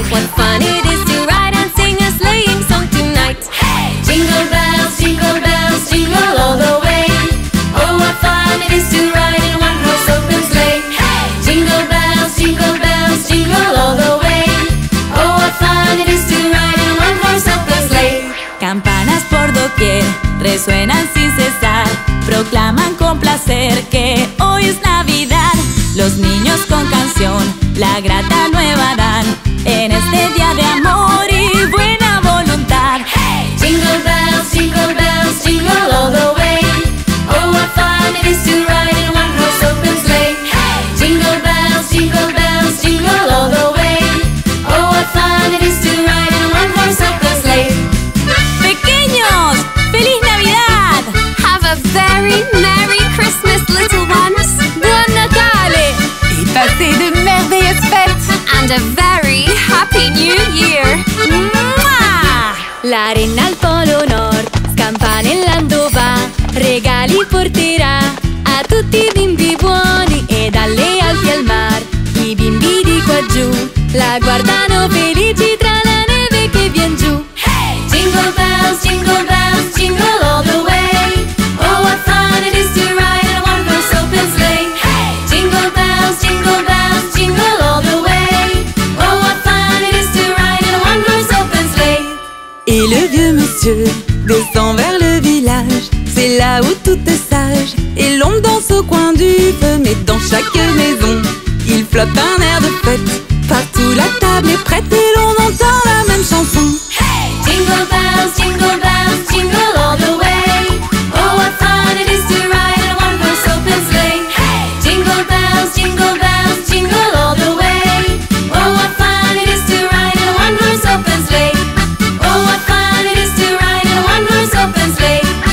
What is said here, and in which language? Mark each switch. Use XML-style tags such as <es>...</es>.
<en>What fun it is to ride and sing a sleighing song tonight. Hey! Jingle bells, jingle bells, jingle all the way. Oh, what fun it is to ride in one horse open sleigh. Hey! Jingle bells, jingle bells, jingle all the way. Oh, what fun it is to ride in one horse open sleigh.</en> <es>Campanas por doquier resuenan sin cesar, proclaman con placer que hoy es Navidad. Los niños con canción la grata nueva dan en este día de amor y buena voluntad.</es> <en>Hey! Jingle bells, jingle bells, jingle all the way. Oh, what fun it is to ride in one horse open sleigh. Hey! Jingle bells, jingle bells, jingle all the way. Oh, what fun it is to ride in one horse open sleigh.</en> <es>Pequeños, ¡feliz Navidad!</es> <en>Have a very merry Christmas, little ones.</en> <it>Buon Natale!</it> <fr>Y pasé de merveilleuses fêtes.</fr> <en>And a very happy new year. Mwah!</en> <it>La arena al polo nord, campanellando va, regali porterà a tutti i bimbi buoni e dalle Alpi al mar. I bimbi di qua giù la guardano felici tra la neve che vien giù.</it> <en>Hey! Jingle bells, jingle bells, jingle all the way. Oh, what fun it is to ride in a one horse open sleigh. Hey! Jingle bells, jingle bells, jingle all the way. Oh, what fun it is to ride in a one horse open sleigh.</en> <fr>Et le vieux monsieur descend vers le village. C'est là où tout est sage. Et l'ombre danse au coin du feu. Mais dans chaque maison il flotte un air de fête. Partout la table est prête et l'on entend la même chanson.</fr> <en>Hey! Jingle bells, jingle bells, jingle all the way. Oh, what fun it is to ride in a one horse open sleigh. Hey! Jingle bells, jingle bells, jingle all the way. Oh, what fun it is to ride in a one horse open sleigh. Oh, what fun it is to ride in a one horse open sleigh.</en>